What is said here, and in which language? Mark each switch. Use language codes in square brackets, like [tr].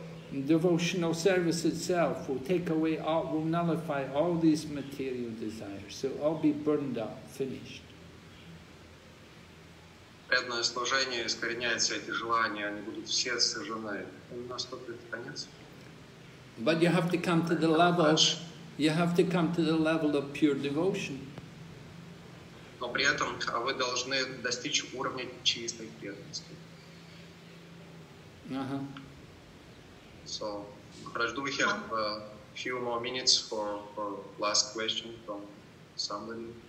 [en] Devotional service itself will take away all, will nullify all these material desires. So all be burned up, finished. [ru] Преданное служение искореняет все эти желания, они будут все сожжены. Наступит конец. [en] But you have to come to the level of pure devotion. [ru] но при этом вы должны достичь уровня чистой преданности. [en] So, Maharaj, do we have a few more minutes for last question from somebody?